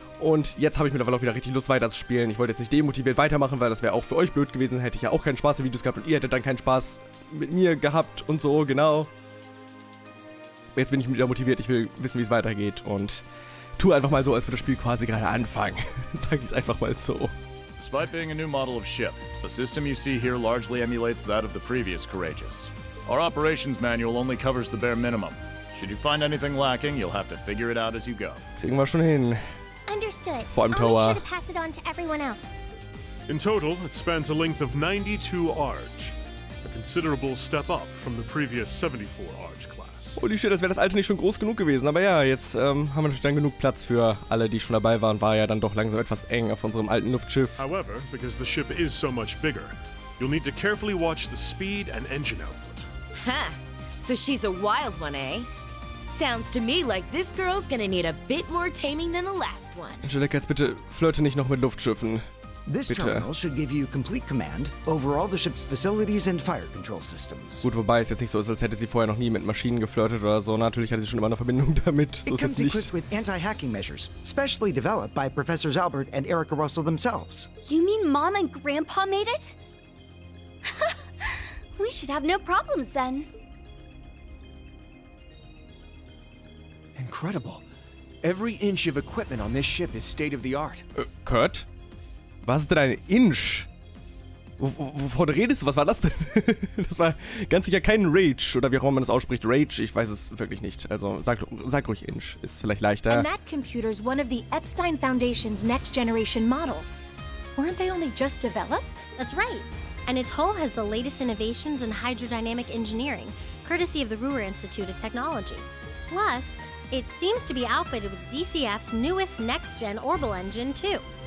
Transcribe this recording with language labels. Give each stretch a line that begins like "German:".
German: Und jetzt habe ich mittlerweile auch wieder richtig Lust, weiterzuspielen. Ich wollte jetzt nicht demotiviert weitermachen, weil das wäre auch für euch blöd gewesen. Hätte ich ja auch keinen Spaß in Videos gehabt und ihr hättet dann keinen Spaß mit mir gehabt und so, genau. Jetzt bin ich wieder motiviert, ich will wissen, wie es weitergeht und tue einfach mal so, als würde das Spiel quasi gerade anfangen. Sag ich es einfach mal so.
English: Despite being a new model of ship, the system you see here largely emulates that of the previous Courageous. Our operations manual only covers the bare minimum. Should you find anything lacking, you'll have to figure it out as you go.
German: Kriegen wir schon hin.
English: Understood.
German: Vor allem Towa.
English: I'll make sure to pass it on to everyone else. In total, it spans a length of 92 Arch. A considerable step up from the previous 74 Arch class.
German: Holy shit, das wäre das alte nicht schon groß genug gewesen. Aber ja, jetzt haben wir natürlich dann genug Platz für alle, die schon dabei waren. War ja dann doch langsam etwas eng auf unserem alten Luftschiff.
English: However, because the ship is so much bigger, you'll need to carefully watch the speed and engine output. Ha! So she's a wild one, eh? Sounds to me like this girl's gonna need a bit more taming than the last one.
German: Angelika, jetzt bitte flirte nicht noch mit Luftschiffen.
English: This terminal should give you complete command over all the ship's facilities and fire control systems.
German: Gut, wobei es jetzt nicht so ist, als hätte sie vorher noch nie mit Maschinen geflirtet oder so. Natürlich hatte sie schon immer eine Verbindung damit. So ist es nicht.
English: It comes equipped with anti-hacking measures, specially developed by Professors Albert and Erica Russell themselves. You mean Mom and Grandpa made it? We should have no problems then. Incredible. Every inch of equipment on this ship is state of the art.
German: Kurt? Was ist denn ein Inch? Wovon redest du? Was war das denn? Das war ganz sicher kein Rage oder wie auch immer man das ausspricht. Rage, ich weiß es wirklich nicht. Also sag ruhig Inch, ist vielleicht leichter.
English: And that computer's one of the Epstein Foundation's next generation models. Weren't they only just developed? That's right. And its hull has the latest innovations in hydrodynamic engineering, courtesy of the Ruhr Institute of Technology. Plus, it seems to be outfitted with ZCF's newest next-gen orbital engine, too.